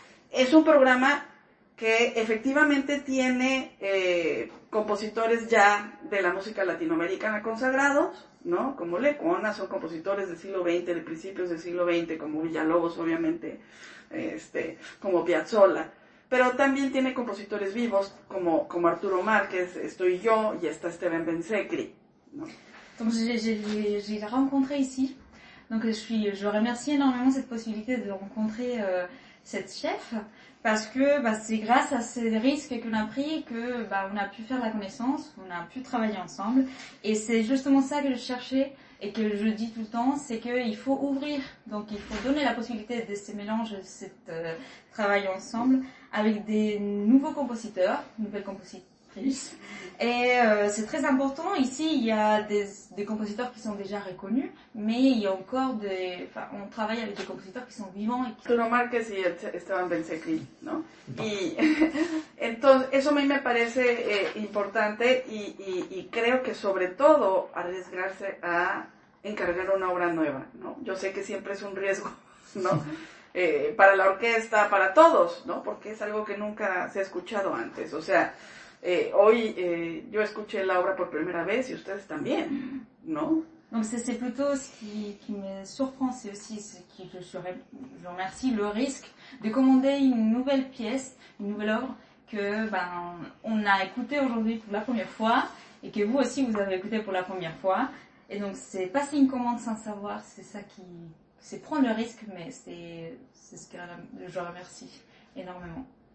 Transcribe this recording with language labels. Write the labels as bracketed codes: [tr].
[es] Es un programa que efectivamente tiene compositores ya de la música latinoamericana consagrados, ¿no? Como Lecuona, son compositores del siglo XX, de principios del siglo XX, como Villalobos, obviamente, como Piazzolla. Pero también tiene compositores vivos, como Arturo Márquez, estoy yo, y está Esteban Bensecri, ¿no? [fr] Entonces, j'ai rencontré ici. Donc, je remercie énormément cette possibilité de rencontrer cette chef. Parce que c'est grâce à ces risques qu'on a pris que on a pu faire la connaissance, on a pu travailler ensemble. Et c'est justement ça que je cherchais et que je dis tout le temps, c'est qu'il faut ouvrir. Donc il faut donner la possibilité de ces mélanges, de cet travail ensemble avec des nouveaux compositeurs, nouvelles compositrices. Et c'est très important. Ici, il y a des compositeurs qui sont déjà reconnus, mais il y a encore on travaille avec des compositeurs qui sont vivants. [es] Arturo Márquez y Esteban Bensecri, ¿no? Y entonces, eso a mí me parece importante y creo que sobre todo arriesgarse a encargar una obra nueva, ¿no? Yo sé que siempre es un riesgo, ¿no? Para la orquesta, para todos, ¿no? Porque es algo que nunca se ha escuchado antes, o sea, hoy yo escuché la obra por primera vez y ustedes también, ¿no? [fr] Donc c'est plutôt ce qui me surprend, c'est aussi ce qui je remercie, le risque de commander une nouvelle pièce, une nouvelle œuvre que on a écouté aujourd'hui pour la première fois et que vous aussi vous avez écouté pour la première fois. Et donc c'est passer une commande sans savoir, c'est ça qui c'est prendre le risque, mais c'est ce que je remercie énormément.